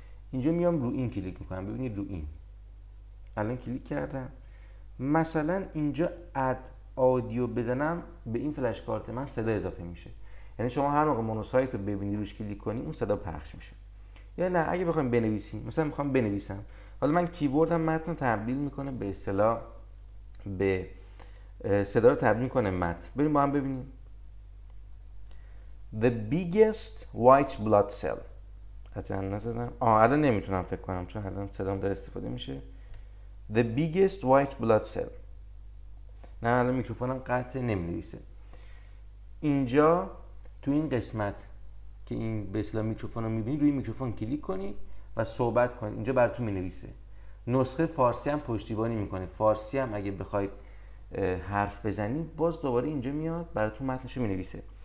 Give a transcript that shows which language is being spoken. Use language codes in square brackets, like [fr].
[fa] اینجا میام رو این کلیک میکنم. ببینید رو این الان کلیک کردم، مثلا اینجا اد آدیو بزنم به این فلش کارت من صدا اضافه میشه. یعنی شما هر موقع مونوسایت رو ببینی روش کلیک کنی اون صدا پخش میشه. یا نه اگه بخوام بنویسیم، مثلا میخوام بنویسم، حالا من کیبوردم متن رو تبدیل میکنه به اصطلاح به صدا رو تبدیل کنه متن. بریم با هم ببینیم. [en] The biggest white blood cell. [fa] حتما نزدم. الان نمیتونم فکر کنم چون الان صدام داره استفاده میشه. [en] The biggest white blood cell. [fa] نه الان میکروفونم قطع نمی‌نویسه. اینجا تو این قسمت که این به اصطلاح میکروفون رو میبینی روی میکروفون کلیک کنی و صحبت کنی، اینجا براتون مینویسه. نسخه فارسی هم پشتیبانی میکنه، فارسی هم اگه بخواید حرف بزنی باز دوباره اینجا میاد براتون متنش رو مینویسه.